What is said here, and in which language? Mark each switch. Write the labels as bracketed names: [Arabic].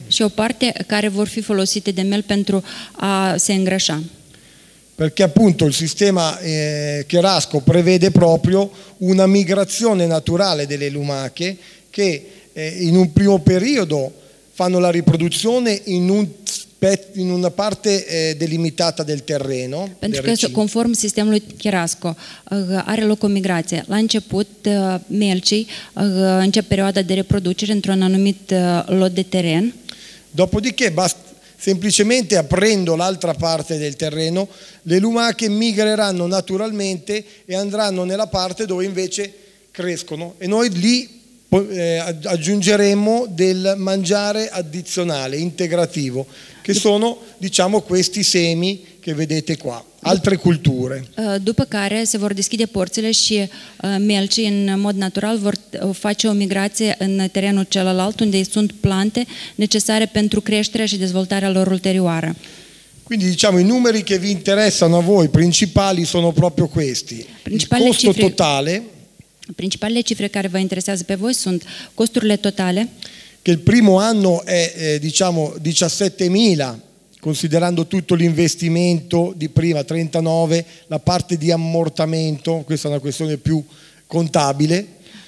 [Romanian] Și o parte care vor fi folosite de mel pentru a se îngrașa. [Italian] Perché appunto il sistema Cherasco prevede proprio una migrazione naturale delle lumache che in un primo periodo fanno la riproduzione in una parte delimitata del terreno. [Romanian] Pentru că conform sistemului Cherasco are loc o migrație. La început melcii încep perioada de reproducere într-un anumit lot de teren. [Italian] Dopodiché basta semplicemente aprendo l'altra parte del terreno, le lumache migreranno naturalmente e andranno nella parte dove invece crescono e noi lì aggiungeremo del mangiare addizionale, integrativo, che sono diciamo questi semi che vedete qua, altre culture. [Romanian] Dopo care se vor deschide porțile și melcii în mod natural vor face o migrație în terenul celălalt unde sunt plante necesare pentru creșterea și dezvoltarea lor ulterioară. [Italian] Quindi diciamo i numeri che vi interessano a voi principali sono proprio questi. Il costo cifre, totale. [Romanian] Principalele cifre care vă interesează pe voi sunt costurile totale. [Italian] Che il primo anno è diciamo 17.000 considerando tutto l'investimento di prima, 39, la parte di ammortamento, questa è una questione più contabile.